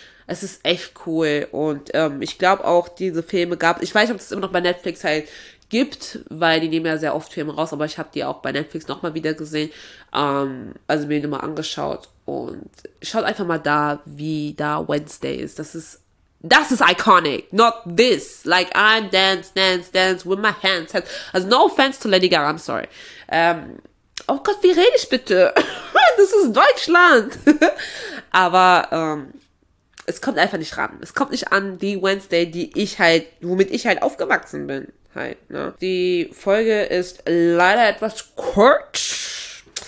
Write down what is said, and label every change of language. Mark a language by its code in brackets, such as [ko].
[de] Es ist echt cool und ich glaube auch, diese Filme gab. Ich weiß nicht, ob es immer noch bei Netflix halt gibt, weil die nehmen ja sehr oft Filme raus, aber ich habe die auch bei Netflix nochmal wieder gesehen. Also mir nochmal angeschaut und schaut einfach mal da, wie da Wednesday ist. Das ist iconic, [en] not this. Like, I'm dance, dance, dance with my hands. Also no offense to Lady Gaga, I'm sorry. [de] Oh Gott, wie rede ich bitte? Das ist Deutschland. Aber, es kommt einfach nicht ran. Es kommt nicht an die Wednesday, womit ich halt aufgewachsen bin. Halt, ne? Die Folge ist leider etwas kurz.